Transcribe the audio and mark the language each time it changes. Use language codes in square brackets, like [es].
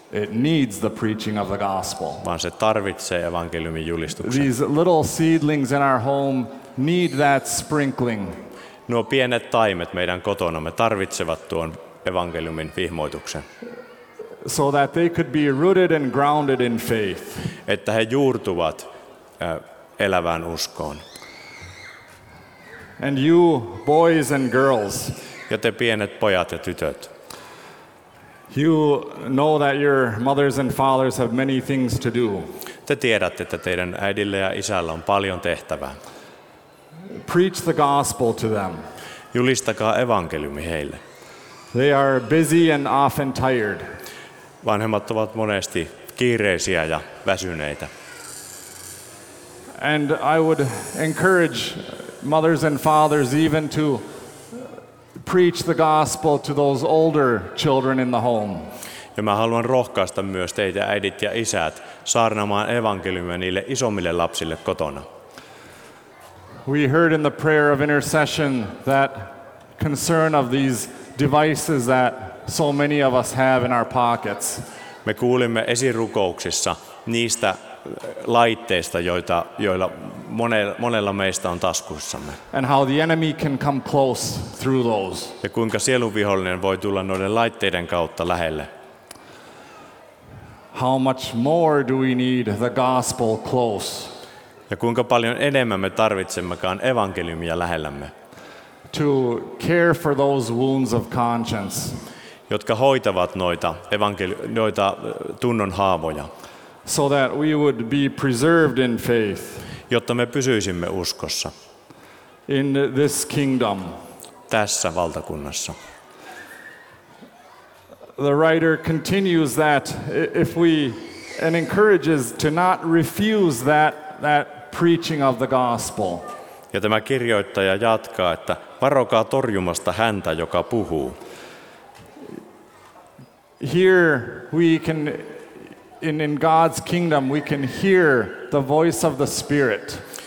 [en] It needs the preaching of the gospel. [fi] Vaan se tarvitsee evankeliumin julistuksen. [en] These little seedlings in our home need that sprinkling. [fi] Nuo pienet taimet meidän kotonamme tarvitsevat tuon evankeliumin vihmoituksen. [en] So that they could be rooted and grounded in faith. [fi] Että he juurtuvat elävään uskoon. [en] And you boys and girls. [fi] Ja te pienet pojat ja tytöt. [en] You know that your mothers and fathers have many things to do. [fi] Te tiedätte, että teidän äidillä ja isällä on paljon tehtävää. [en] Preach the gospel to them. [fi] Julistakaa evankeliumi heille. [en] They are busy and often tired. [fi] Vanhemmat ovat monesti kiireisiä ja väsyneitä. [en] And I would encourage mothers and fathers even to preach the gospel to those older children in the home. [fi] Ja mä haluan rohkaista myös teitä äidit ja isät saarnaamaan evankeliumia niille isommille lapsille kotona. [en] We heard in the prayer of intercession that concern of these devices that so many of us have in our pockets. [fi] Me kuulimme esirukouksissa niistä laitteista, joilla monella meistä on taskussamme. [en] And how the enemy can come close through those. [fi] Ja kuinka sielunvihollinen voi tulla noiden laitteiden kautta lähelle. [en] How much more do we need the gospel close? [fi] Ja kuinka paljon enemmän me tarvitsemmekaan evankeliumia lähellämme. [en] To care for those wounds of conscience. [fi] Jotka hoitavat noita tunnon haavoja. [en] So that we would be preserved in faith. [fi] Jotta me pysyisimme uskossa. [en] In this kingdom. [fi] Tässä valtakunnassa. [en] The writer continues that if we and encourages to not refuse that preaching of the gospel. [fi] Ja tämä kirjoittaja jatkaa, että varokaa torjumasta häntä, joka puhuu. [en] Here we can in God's kingdom we can hear the voice of the Spirit.